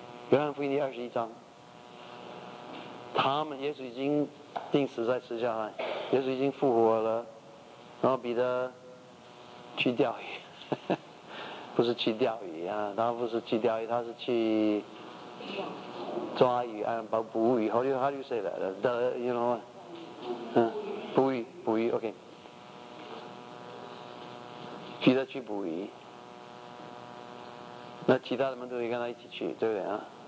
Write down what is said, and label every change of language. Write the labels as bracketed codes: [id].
[zh] 约翰福音第二十一章，他们耶稣已经钉死在十字架上，耶稣已经复活了。然后彼得去钓鱼，不是去钓鱼啊，他不是去钓鱼，他是去抓鱼啊，捕鱼。 [en] How do you say that? The, you know, 捕鱼 ，OK。 [zh] 彼得去捕鱼，那其他的门徒也跟他一起去，对不对啊？